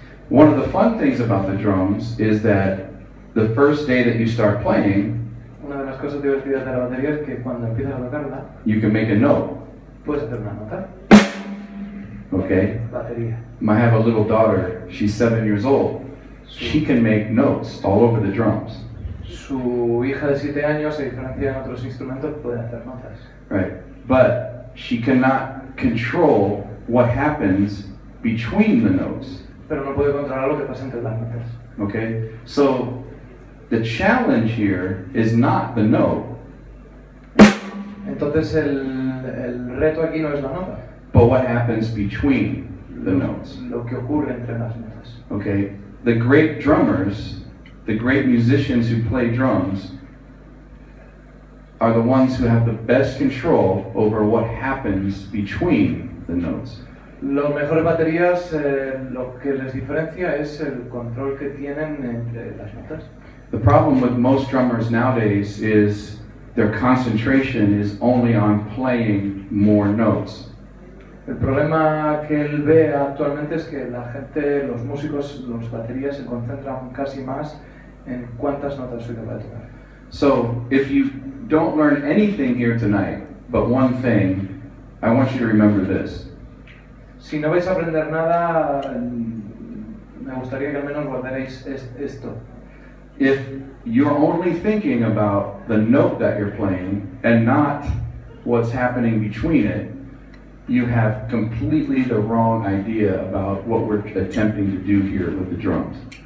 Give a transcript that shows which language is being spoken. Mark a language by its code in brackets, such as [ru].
[en] One of the fun things about the drums is that the first day that you start playing, [es] una de las cosas divertidas de la batería es que cuando empiezas a tocarla, [en] you can make a note. [es] Puedes hacer una nota. [en] Okay. [es] Batería. [en] I have a little daughter. She's 7 years old. She can make notes all over the drums. [es] Su hija de 7 años, a diferencia de otros instrumentos, puede hacer notas. [en] Right, but she cannot control what happens between the notes. [es] Pero no puede controlar lo que pasa entre las notas. [en] Okay, so the challenge here is not the note. [es] Entonces el reto aquí no es la nota. [en] But what happens between the notes. [es] Lo que ocurre entre las notas. [en] Okay, the great drummers, the great musicians who play drums, are the ones who have the best control over what happens between the notes. [es] Los mejores baterías, lo que les diferencia es el control que tienen entre las notas. [en] The problem with most drummers nowadays is their concentration is only on playing more notes. [es] El problema que él ve actualmente es que la gente, los músicos, los baterías se concentran casi más en cuántas notas soy capaz de tocar. [en] So, if you don't learn anything here tonight, but one thing, I want you to remember this. [es] Si no vais a aprender nada, me gustaría que al menos guardaréis esto. [en] If you're only thinking about the note that you're playing and not what's happening between it, you have completely the wrong idea about what we're attempting to do here with the drums.